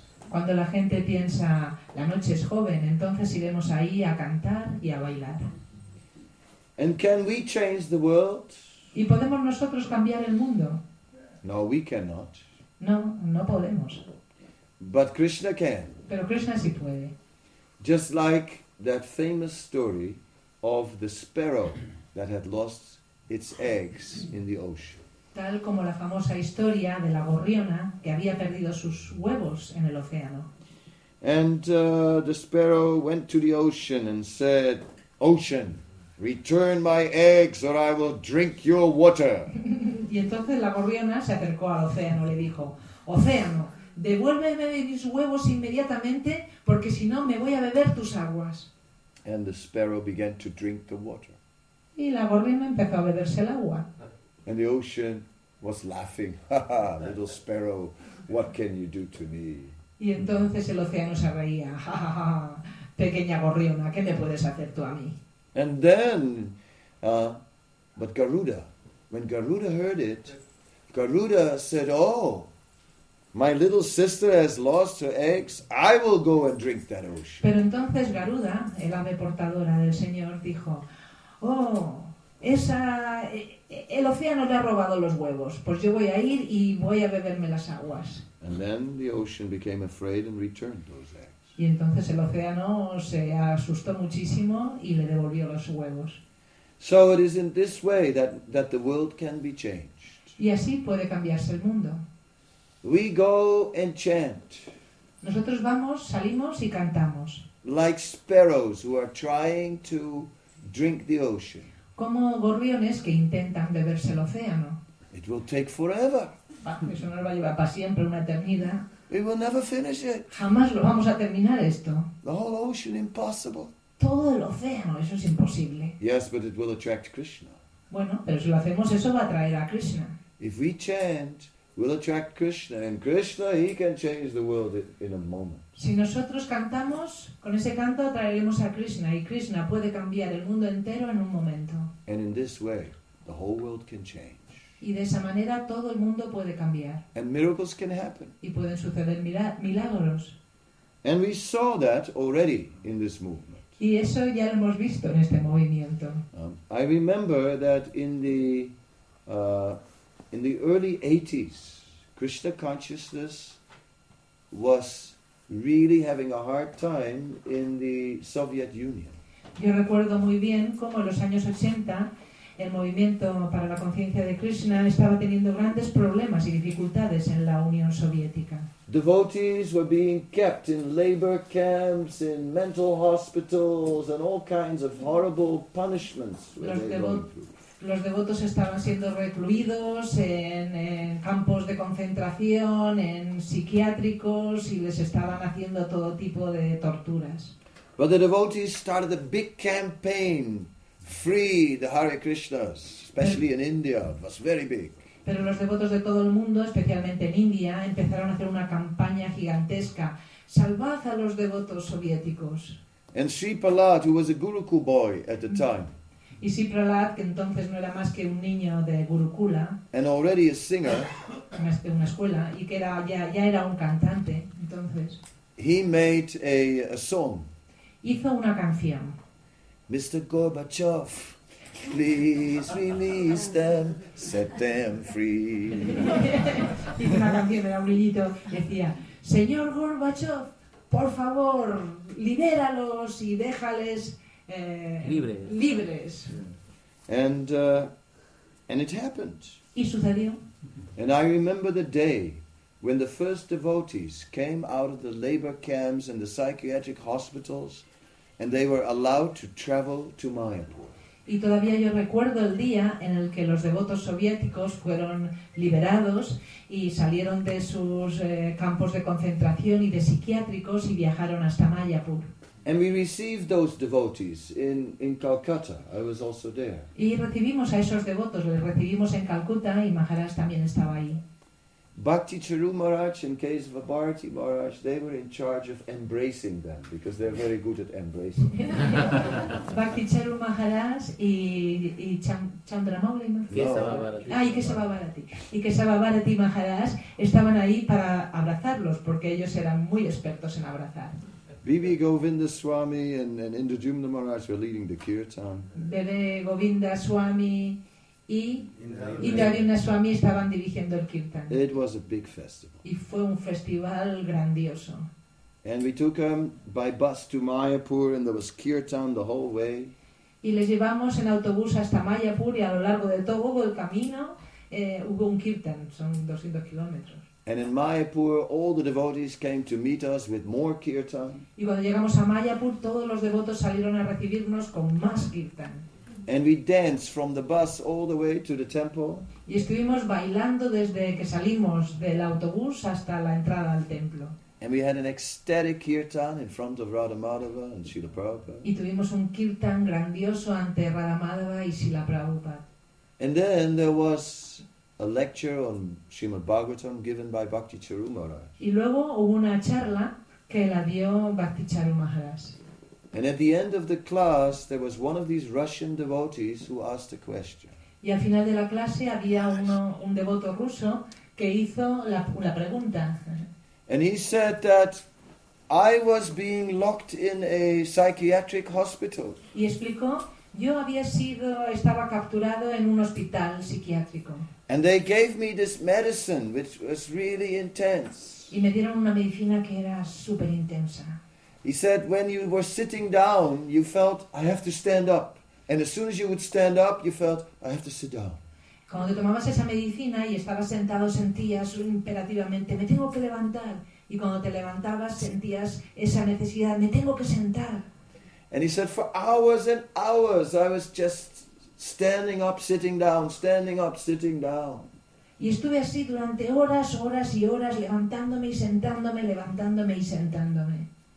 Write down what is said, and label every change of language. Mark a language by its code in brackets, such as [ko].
[es] Cuando la gente piensa la noche es joven, entonces iremos ahí a cantar y a bailar. [en] And can we change the world? [es] ¿Y podemos nosotros cambiar el mundo? [en] No, we cannot. [es] No, no podemos. [en] But Krishna can. [es] Pero Krishna sí puede. [en] Just like that famous story of the sparrow that had lost its eggs in the ocean. [es] Tal como la famosa historia de la gorriona que había perdido sus huevos en el océano. [en] And the sparrow went to the ocean and said, "Ocean, return my eggs or I will drink your water." [es] Y entonces la gorriona se acercó al océano y le dijo, "Océano, devuélveme mis huevos inmediatamente porque si no me voy a beber tus aguas." [en] And the sparrow began to drink the water. [es] Y la gorriona empezó a beberse el agua. [en] And the ocean was laughing. "Little sparrow, what can you do to me?" [es] Y entonces el océano se reía. "Pequeña gorriona, ¿qué me puedes hacer tú a mí?" [en] And then, but Garuda, when Garuda heard it, Garuda said, "Oh, my little sister has lost her eggs. I will go and drink that ocean." [es] Pero entonces Garuda, el ave portadora del Señor, dijo, "Oh, el océano le ha robado los huevos. Pues yo voy a ir y voy a beberme las aguas." [en] And then the ocean became afraid and returned those eggs. [es] Y entonces el océano se asustó muchísimo y le devolvió los huevos. [en] So it is in this way that the world can be changed. [es] Y así puede cambiarse el mundo. [en] We go and chant. [es] Nosotros vamos, salimos y cantamos. [en] Like sparrows who are trying to drink the ocean. [es] Como gorriones que intentan beberse el océano. [en] It will take forever. [es] Eso nos va a llevar para siempre, una eternidad. [en] We will never finish it. [es] Jamás lo vamos a terminar esto. [en] The whole ocean, impossible. [es] Todo el océano, eso es imposible. [en] Yes, but it will attract Krishna. [es] Bueno, pero si lo hacemos, eso va a atraer a Krishna. [en] If we chant, we'll attract Krishna, and Krishna, he can change the world in a moment. [es] Si nosotros cantamos, con ese canto atraeremos a Krishna y Krishna puede cambiar el mundo entero en un momento. [en] And in this way, the whole world can change. [es] Y de esa manera todo el mundo puede cambiar. [en] And miracles can happen. [es] Y pueden suceder milagros. [en] And we saw that already in this movement. [es] Y eso ya lo hemos visto en este movimiento. [en] I remember that in the early 80s, Krishna consciousness was really having a hard time in the Soviet Union. [es] Yo recuerdo muy bien cómo en los años 80 el movimiento para la conciencia de Krishna estaba teniendo grandes problemas y dificultades en la Unión Soviética. [en] Devotees were being kept in labor camps, in mental hospitals, and all kinds of horrible punishments. [es] Los devotos estaban siendo recluidos en campos de concentración, en psiquiátricos, y les estaban haciendo todo tipo de torturas. [en] But the devotees started a big campaign. Free the Hare Krishnas, especially in India, was very big. [es] Pero los devotos de todo el mundo, especialmente en India, empezaron a hacer una campaña gigantesca. Salvad a los devotos soviéticos. [en] And Sri Prahlad, who was a Gurukul boy at the time. [es] Y Sri Prahlad, que entonces no era más que un niño de Gurukula. [en] And already a singer. [es] En una escuela, y que era ya era un cantante, entonces. [en] He made a song. [es] Hizo una canción. [en] Mr. Gorbachev, please release them, set them free. [es] Hizo una canción, era un niñito, decía, señor Gorbachev, por favor, libéralos y déjales libres. [en] And it happened. [es] Y sucedió. [en] And I remember the day when the first devotees came out of the labor camps and the psychiatric hospitals. And they were allowed to travel to Mayapur. [es] Y todavía yo recuerdo el día en el que los devotos soviéticos fueron liberados y salieron de sus campos de concentración y de psiquiátricos y viajaron hasta Mayapur. [en] And we received those devotees in Calcutta. I was also there. [es] Y recibimos a esos devotos, los recibimos en Calcuta y Maharaj también estaba ahí. [en] Bhakti Charu Maharaj and Kesava Bharati Maharaj, they were in charge of embracing them because they're very good at embracing. [es] Bhakti Charu Maharaj y Chandramouli Maharaj. Kesava Bharati. Y Kesava Bharati Maharaj estaban ahí para abrazarlos porque ellos eran muy expertos en abrazar. [en] Bibi Govinda Swami and Indrajumna Maharaj were leading the kirtan. [es] Bebe Govinda Swami. Y Indrajumna Swami estaban dirigiendo el kirtan. [en] It was a big festival. [es] Y fue un festival grandioso. [en] And we took them by bus to Mayapur, and there was kirtan the whole way. [es] Y les llevamos en autobús hasta Mayapur, y a lo largo de todo el camino hubo un kirtan. Son 200 kilómetros. [en] And in Mayapur, all the devotees came to meet us with more kirtan. [es] Y cuando llegamos a Mayapur, todos los devotos salieron a recibirnos con más kirtan. [en] And we danced from the bus all the way to the temple. [es] Y estuvimos bailando desde que salimos del autobús hasta la entrada al templo. [en] And we had an ecstatic kirtan in front of Radha Madhava and Srila Prabhupada. [es] Y tuvimos un kirtan grandioso ante Radha Madhava y Srila Prabhupada. [en] And then there was a lecture on Srimad Bhagavatam given by Bhakti Charu Maharaj. [es] Y luego hubo una charla que la dio Bhakti Charu Maharaj. [en] And at the end of the class, there was one of these Russian devotees who asked a question. [es] Y al final de la clase había un devoto ruso que hizo una pregunta. [en] And he said that I was being locked in a psychiatric hospital. [es] Y explicó, yo estaba capturado en un hospital psiquiátrico. [en] And they gave me this medicine, which was really intense. [es] Y me dieron una medicina que era súper intensa. [en] He said, when you were sitting down, you felt, I have to stand up. And as soon as you would stand up, you felt, I have to sit down. [es] Cuando tomabas esa medicina y estabas sentado, sentías imperativamente, me tengo que levantar. Y cuando te levantabas, sentías esa necesidad, me tengo que sentar. [en] And he said, for hours and hours, I was just standing up, sitting down, standing up, sitting down. [es] Y estuve así durante horas, horas y horas, levantándome y sentándome, levantándome y sentándome.